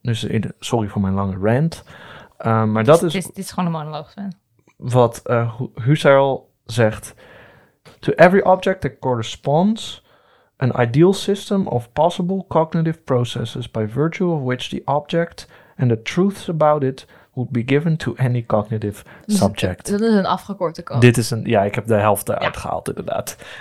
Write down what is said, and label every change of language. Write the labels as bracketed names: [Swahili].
[Dutch] Dus sorry voor mijn lange rant. Maar dat is... Dit is gewoon een monoloog, Sven. Wat Husserl zegt... [English] To every object that corresponds an ideal system of possible cognitive processes by virtue of which the object and the truths about it would be given to any cognitive subject. [Dutch] Dus, dat is een afgekorte kant. Dit is een, ja, ik heb de helft eruit gehaald, inderdaad.